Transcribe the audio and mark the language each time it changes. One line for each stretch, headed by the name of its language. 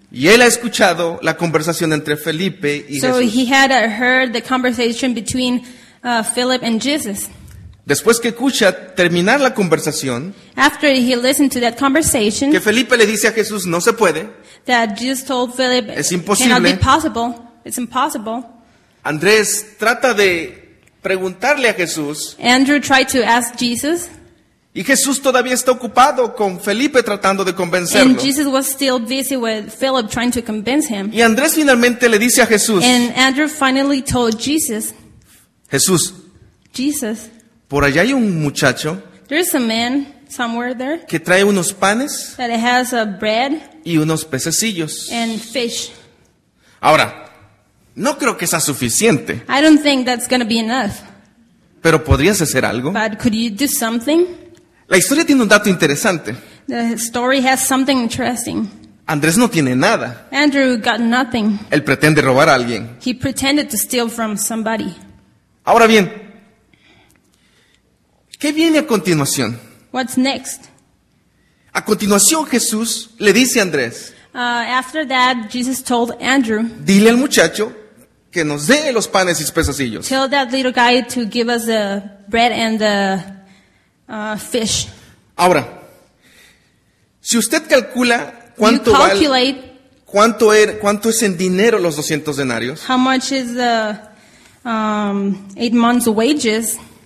Spanish: Y él ha escuchado la conversación entre Felipe y
English: so
Spanish: Jesús.
English: So he had heard the conversation between Philip and Jesus.
Spanish: Después que escucha terminar la conversación,
English: after he listened to that conversation,
Spanish: que Felipe le dice a Jesús, no se puede.
English: That Jesus told Philip,
Spanish: es imposible.
English: Cannot be possible. It's impossible.
Spanish: Andrés trata de preguntarle a Jesús.
English: Andrew tried to ask Jesus.
Spanish: Y Jesús todavía está ocupado con Felipe tratando de convencerlo.
English: And Jesus was still busy with Philip trying to convince him.
Spanish: Y Andrés finalmente le dice a Jesús.
English: And Andrew finally told Jesus.
Spanish: Jesús.
English: Jesus.
Spanish: Por allá hay un muchacho.
English: There is a man somewhere there.
Spanish: Que trae unos panes.
English: That has a bread.
Spanish: Y unos pececillos.
English: And fish.
Spanish: Ahora. No creo que sea suficiente.
English: I don't think that's going to be enough.
Spanish: Pero podrías hacer algo.
English: But could you do something?
Spanish: La historia tiene un dato interesante.
English: The story has something interesting.
Spanish: Andrés no tiene nada.
English: Andrew got nothing.
Spanish: Él pretende robar a alguien.
English: He pretended to steal from somebody.
Spanish: Ahora bien, ¿qué viene a continuación?
English: What's next?
Spanish: A continuación Jesús le dice a Andrés.
English: After that, Jesus told Andrew.
Spanish: Dile al muchacho que nos dé los panes y pececillos.
English: Tell that little guy to give us the bread and the fish.
Spanish: Ahora, si usted calcula cuánto
English: you calculate,
Spanish: vale, ¿Cuánto es en dinero los 200 denarios?
English: How much is the 8 months wages?